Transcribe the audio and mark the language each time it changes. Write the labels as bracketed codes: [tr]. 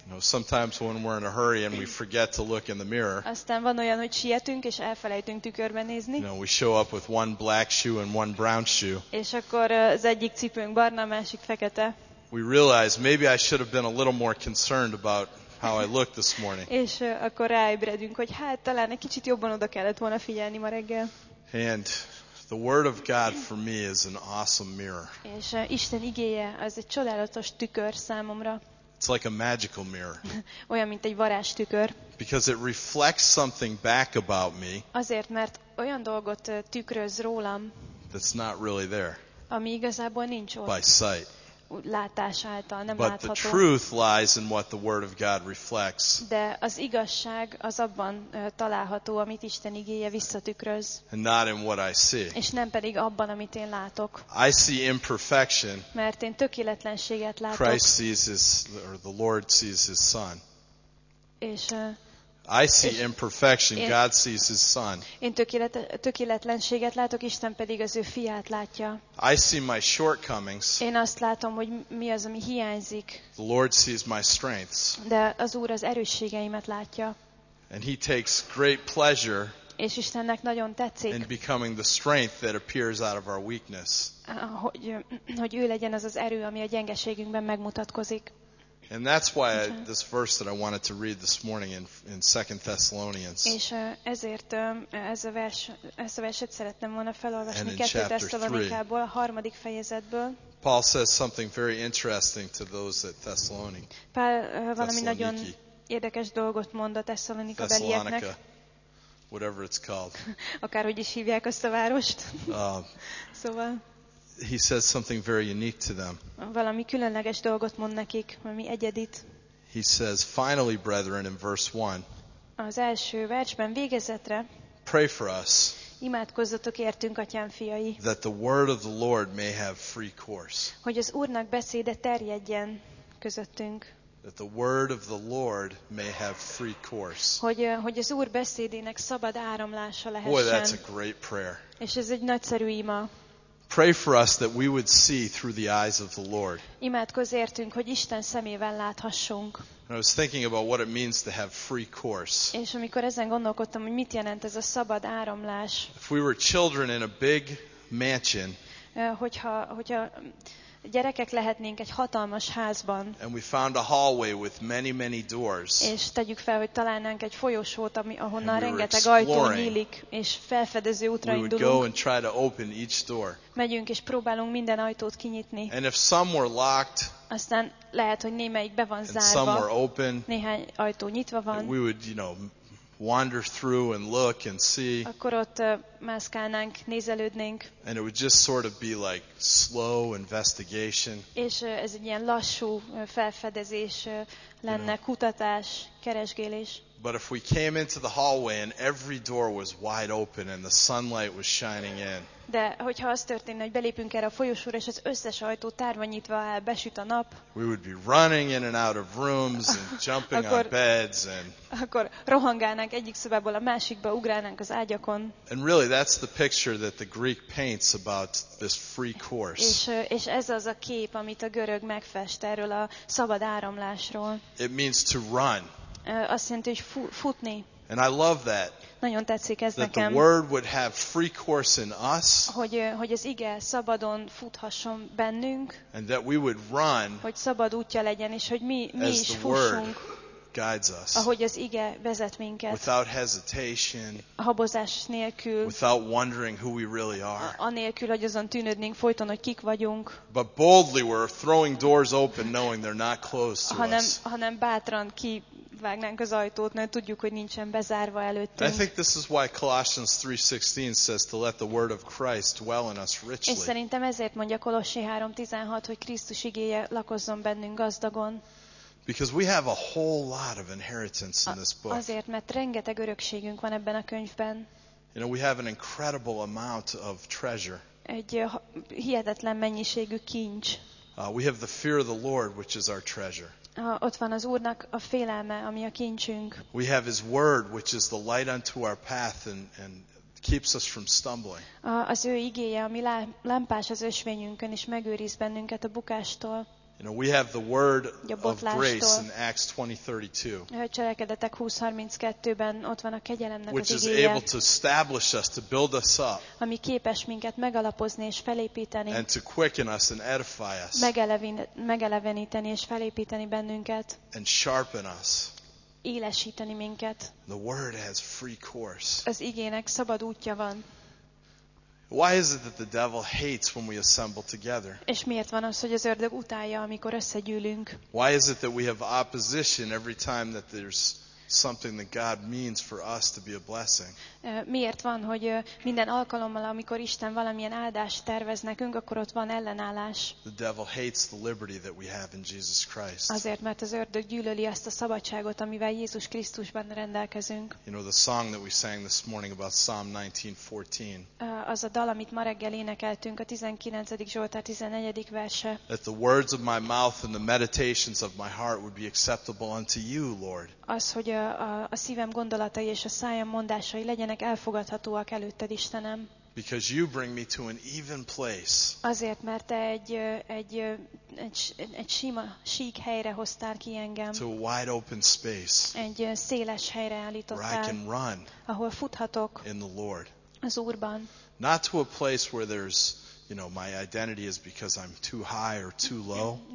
[en] Sometimes when we're in a hurry and we forget to look in the mirror. [hu] Aztán van olyan, hogy sietünk és elfelejtünk tükörben nézni. [en] You know, we show up with one black shoe and one brown shoe. [hu] És akkor az egyik cipőnk barna, a másik fekete. [en] We realize maybe I should have been a little more concerned about how I look this morning. [hu] És akkor ráébredünk, hogy hát talán egy kicsit jobban oda kellett volna figyelni ma reggel. [en] And the Word of God for me is an awesome mirror. [hu] És Isten igéje az egy csodálatos tükör számomra. [en] It's like a magical mirror. [hu] Olyan, mint egy varázstükör. [en] Because it reflects something back about me. [hu] Azért, mert olyan dolgot tükröz rólam. [en] That's not really there. [hu] Ami igazából nincs ott. [en] By sight. [hu] Látás által, nem [en] but [hu] látható. [en] The truth lies in what the Word of God reflects. [hu] De az igazság az abban található, amit Isten igéje visszatükröz. [en] And not in what I see. [hu] És nem pedig abban, amit én látok. [en] I see imperfection. [hu] Mert én tökéletlenséget látok. [en] Christ sees his, or the Lord sees his son. [hu] És [en] I see imperfection. God sees his son. [hu] Én tökéletlenséget látok, Isten pedig az ő fiát látja. [en] I see my shortcomings. [hu] Én azt látom, hogy mi az, ami hiányzik. [en] The Lord sees my strengths. [hu] De az Úr az erősségeimet látja. [en] And he takes great pleasure. [hu] És Istennek nagyon tetszik. [en] In becoming the strength that appears out of our weakness. [hu] Hogy ő legyen az az erő, ami a gyengeségünkben megmutatkozik. [en] And that's why this verse that I wanted to read this morning in 2 Thessalonians. [hu] És ezért ezt a verset szerettem volna felolvasni 2 Thessalonikából, a harmadik fejezetből. [en] Paul says something very interesting to those at Thessalonians. [hu] Pál valami nagyon érdekes dolgot mond a Thessalonika belieknek. [en] Whatever it's called. [hu] Akárhogy is hívják azt a várost. Szóval. [en] He says something very unique to them. [hu] Valami különleges dolgot mond nekik, valami egyedit. [en] He says, finally, brethren, in verse 1. [hu] Az első versben, végezetre. [en] Pray for us. [hu] Imádkozzatok értünk, atyám fiai. [en] That the word of the Lord may have free course. [hu] Hogy az Úrnak beszéde terjedjen közöttünk. [en] That the word of the Lord may have free course. [hu] Hogy az Úr beszédének szabad áramlása lehessen. [en] Boy, that's a great prayer. [hu] És ez egy nagyszerű ima. [en] Pray for us that we would see through the eyes of the Lord. [hu] Imádkozz értünk, hogy Isten szemével láthassunk. [en] And I was thinking about what it means to have free course. [hu] És amikor ezen gondolkodtam, hogy mit jelent ez a szabad áramlás. [en] If we were children in a big mansion. [hu] Hogyha gyerekek lehetnénk egy hatalmas házban. [en] And we found a hallway with many, many doors. [hu] És tegyük fel, hogy találnánk egy folyosót, ahonnan rengeteg ajtó nyílik, és felfedező útra indulunk. [en] We would go and try to open each door. [hu] Megyünk és próbálunk minden ajtót kinyitni. [en] And if some were locked, [hu] aztán lehet, hogy némelyik be van zárva. [en] Some were open, [hu] néhány ajtó nyitva van. [en] We would, you know, wander through and look and see. [hu] Akkor ott mászkálnánk, nézelődnénk. [en] And it would just sort of be like slow investigation. [hu] És ez egy ilyen lassú felfedezés lenne, kutatás, keresgélés. [en] But if we came into the hallway and every door was wide open and the sunlight was shining in. [hu] De hogyha az történne, hogy belépünk erre a folyosóra, és az összes ajtó tárva nyitva áll, besüt a nap. [en] We would be running in and out of rooms and jumping on beds and. [hu] Akkor rohangálnánk egyik szobából a másikba, ugrálnánk az ágyakon. [en] And really, that's the picture that the Greek paints about this free course. [hu] És ez az a kép, amit a görög megfest erről a szabad áramlásról. [en] It means to run. [hu] Azt jelenti, hogy futni. [en] And I love that. [hu] Nagyon tetszik ez [en] that [hu] nekem. [en] The word would have free course in us. [hu] Hogy az ige szabadon futhasson bennünk. [en] And that we would run. [hu] Hogy szabad útja legyen, és hogy mi is fussunk. [en] Word guides us. [hu] Ahogy az ige vezet minket. [en] Without hesitation. [hu] Habozás nélkül. [en] Without wondering who we really are. [hu] Anélkül, hogy azon tűnődnénk folyton, hogy kik vagyunk. [en] But boldly we're throwing doors open knowing they're not closed to us. [hu] Hanem bátran kivágnánk az ajtót, mert tudjuk, hogy nincsen bezárva előttünk. [en] I think this is why Colossians 3:16 says to let the word of Christ dwell in us richly. [hu] És szerintem ezért mondja Kolossi 3:16, hogy Krisztus igéje lakozzon bennünk gazdagon. [en] Because we have a whole lot of inheritance in this book. [hu] Azért, mert rengeteg örökségünk van ebben a könyvben. [en] You know, we have an incredible amount of treasure. [hu] Egy hihetetlen mennyiségű kincs. [en] We have the fear of the Lord, which is our treasure. [hu] Ott van az Úrnak a félelme, ami a kincsünk. [en] We have His word, which is the light unto our path and keeps us from stumbling. [hu] Az ő igéje, ami lámpás az ösvényünkön, és megőriz bennünket a bukástól. [en] You know, we have the word of grace in Acts 20:32. [hu] Cselekedetek 20:32-ben ott van a kegyelemnek az igéje. [en] Which is able to establish us, to build us up. [hu] Ami képes minket megalapozni és felépíteni. [en] And to quicken us and edify us. [hu] Megeleveníteni és felépíteni bennünket. [en] And sharpen us. [hu] Élesíteni minket. [en] The word has free course. [hu] Az igének szabad útja van. [en] Why is it that the devil hates when we assemble together? [hu] És miért van az, hogy az ördög utálja, amikor összegyűlünk? [en] Why is it that we have opposition every time that there's something that God means for us to be a blessing? [hu] Miért van, hogy minden alkalommal, amikor Isten valamilyen áldást tervez nekünk, akkor ott van ellenállás? [en] The devil hates the liberty that we have in Jesus Christ. [hu] Azért, mert az ördög gyűlöli azt a szabadságot, amivel Jézus Krisztusban rendelkezünk. [en] You know the song that we sang this morning about Psalm 19:14. [hu] Az a dal, amit ma reggel énekeltünk, a 19. Zsoltár 14. verse. [en] That the words of my mouth and the meditations of my heart would be acceptable unto you, Lord. [hu] Az, hogy a szívem gondolatai és a szájam mondásai legyenek elfogadhatóak előtted, Istenem. [en] Because you bring me to an even place. [hu] Azért, mert te egy sima, sík helyre hoztál ki engem. [en] To a wide open space. [hu] Egy széles helyre állítottál. [en] Where I can run. [hu] Ahol futhatok. [en] In the Lord. [hu] Az Úrban. [en] Not to a place where there's, you know, my identity is because I'm too high or too low.